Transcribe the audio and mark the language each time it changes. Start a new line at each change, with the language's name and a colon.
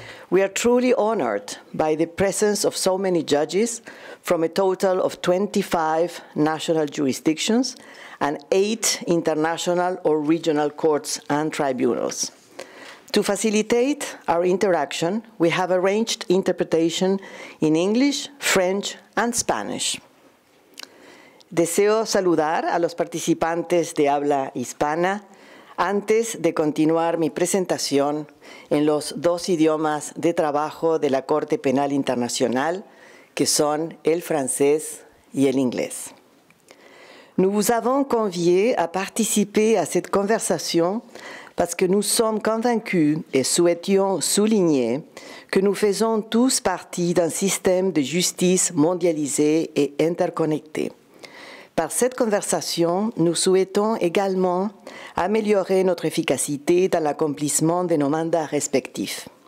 English: We are truly honored by the presence of so many judges from a total of 25 national jurisdictions and 8 international or regional courts and tribunals. To facilitate our interaction, we have arranged interpretation in English, French, and Spanish.
Spanish: Deseo saludar a los participantes de habla hispana antes de continuar mi presentación en los dos idiomas de trabajo de la Corte Penal Internacional, que son el francés y el inglés.
French: Nous vous avons conviés à participer à cette conversation parce que nous sommes convaincus et souhaitions souligner que nous faisons tous partie d'un système de justice mondialisé et interconnecté. Par cette conversation, nous souhaitons également améliorer notre efficacité dans l'accomplissement de nos mandats respectifs.